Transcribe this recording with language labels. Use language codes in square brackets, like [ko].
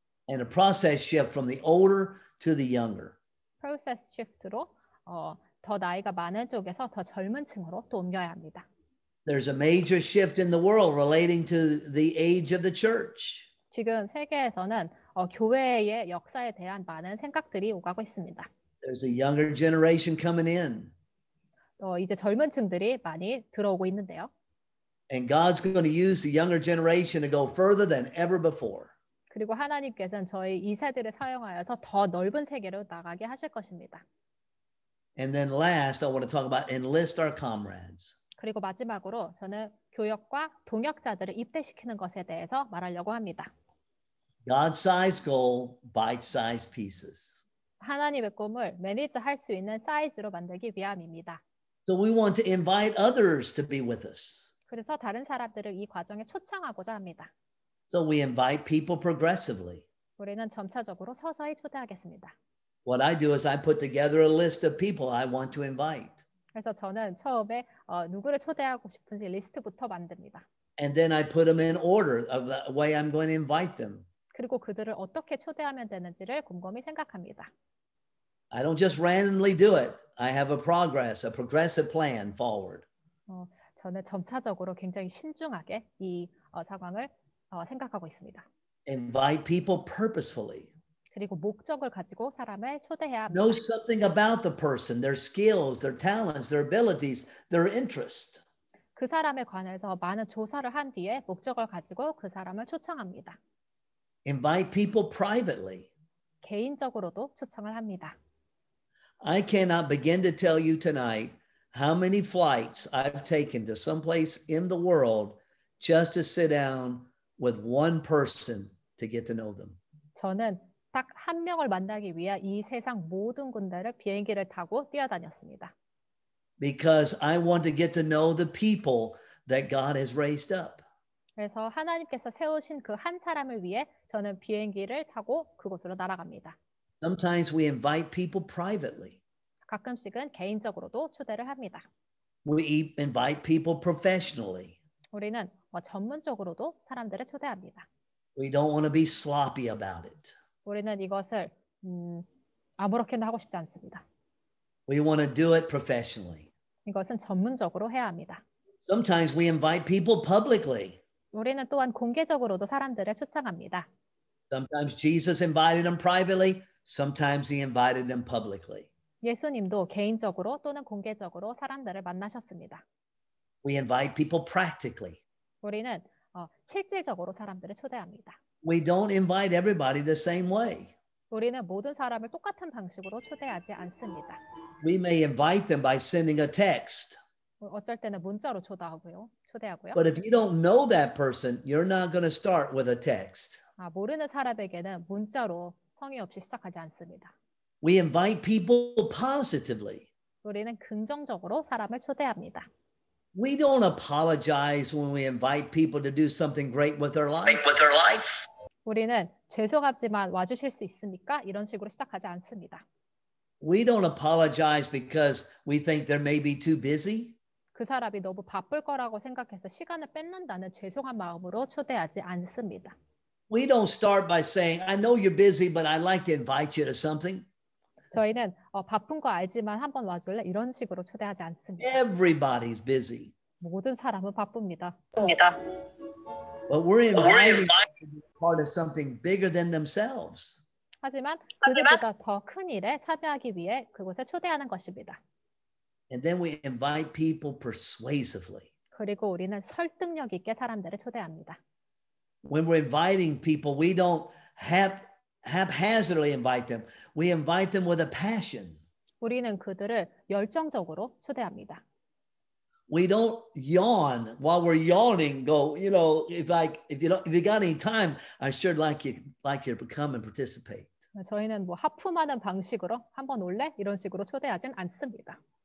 [en] And a process shift from the older to the younger. [ko] Process shift로 더 나이가 많은 쪽에서 더 젊은 층으로 또 옮겨야 합니다. [en] There's a major shift in the world relating to the age of the church. [ko] 지금 세계에서는 교회의 역사에 대한 많은 생각들이 오가고 있습니다. [en] There's a younger generation coming in. [ko] 이제 젊은 층들이 많이 들어오고 있는데요. [en] And God's going to use the younger generation to go further than ever before. [ko] 그리고 하나님께서는 저희 이 세대를 사용하여서 더 넓은 세계로 나가게 하실 것입니다. [en] And then last, I want to talk about enlist our comrades. [ko] 그리고 마지막으로 저는 교역과 동역자들을 입대시키는 것에 대해서 말하려고 합니다. [en] God's size goal, bite-sized pieces. [ko] 하나님의 꿈을 매니지 할 수 있는 사이즈로 만들기 위함입니다. [en] So we want to invite others to be with us. [ko] 그래서 다른 사람들을 이 과정에 초청하고자 합니다. [en] So we invite people progressively. [ko] 우리는 점차적으로 서서히 초대하겠습니다. [en] What I do is I put together a list of people I want to invite. [ko] 그래서 저는 처음에 누구를 초대하고 싶은지 리스트부터 만듭니다. [en] And then I put them in order of the way I'm going to invite them. [ko] 그리고 그들을 어떻게 초대하면 되는지를 곰곰이 생각합니다. [en] I don't just randomly do it. I have a progressive plan forward. [ko] 저는 점차적으로 굉장히 신중하게 이 상황을 생각하고 있습니다. [en] Invite people purposefully. [ko] 그리고 목적을 가지고 사람을 초대해야 합니다. [en] Know something about the person, their skills, their talents, their abilities, their interest. [ko] 그 사람에 관해서 많은 조사를 한 뒤에 목적을 가지고 그 사람을 초청합니다. [en] Invite people privately. [ko] 개인적으로도 초청을 합니다. [en] I cannot begin to tell you tonight how many flights I've taken to someplace in the world just to sit down with one person to get to know them. [ko] 저는 딱 한 명을 만나기 위해 이 세상 모든 군대를 비행기를 타고 뛰어다녔습니다. [en] Because I want to get to know the people that God has raised up. [ko] 그래서 하나님께서 세우신 그 한 사람을 위해 저는 비행기를 타고 그곳으로 날아갑니다. [en] Sometimes we invite people privately. [ko] 가끔씩은 개인적으로도 초대를 합니다. [en] We invite people professionally. [ko] 우리는 전문적으로도 사람들을 초대합니다. [en] We don't want to be sloppy about it. [ko] 우리는 이것을 아무렇게나 하고 싶지 않습니다. [en] We want to do it professionally. [ko] 이것은 전문적으로 해야 합니다. [en] Sometimes we invite people publicly. [ko] 우리는 또한 공개적으로도 사람들을 초청합니다. [en] Sometimes Jesus invited them privately. Sometimes he invited them publicly. [ko] 예수님도 개인적으로 또는 공개적으로 사람들을 만나셨습니다. [en] We invite people practically. [ko] 우리는 실질적으로 사람들을 초대합니다. [en] We don't invite everybody the same way. [ko] 우리는 모든 사람을 똑같은 방식으로 초대하지 않습니다. [en] We may invite them by sending a text. [ko] 어쩔 때는 문자로 초대하고요. [en] But if you don't know that person, you're not going to start with a text. [ko] 모르는 사람에게는 문자로 성의 없이 시작하지 않습니다. [en] We invite people positively. [ko] 우리는 긍정적으로 사람을 초대합니다. [en] We don't apologize when we invite people to do something great with their life. With their life. [ko] 우리는 죄송하지만 와주실 수 있습니까? 이런 식으로 시작하지 않습니다. [en] We don't apologize because we think they may be too busy. [ko] 그 사람이 너무 바쁠 거라고 생각해서 시간을 뺏는다는 죄송한 마음으로 초대하지 않습니다. [en] We don't start by saying, I know you're busy, but I'd like to invite you to something. [ko] 저희는 바쁜 거 알지만 한번 와줄래? 이런 식으로 초대하지 않습니다. [en] Everybody's busy. [ko] 모든 사람은 바쁩니다. [en] But we're inviting them to be part of something bigger than themselves. [ko] 하지만 그들보다 더 큰 일에 참여하기 위해 그곳에 초대하는 것입니다. [en] And then we invite people persuasively. [ko] 그리고 우리는 설득력 있게 사람들을 초대합니다. [en] When we're inviting people, we don't haphazardly invite them. We invite them with a passion. [ko] 우리는 그들을 열정적으로 초대합니다. [en] We don't yawn while we're yawning. Go, you know, if you got any time, I sure like you to come and participate. [ko] 저희는 하품하는 방식으로 한번 올래? 이런 식으로 초대하진 않습니다.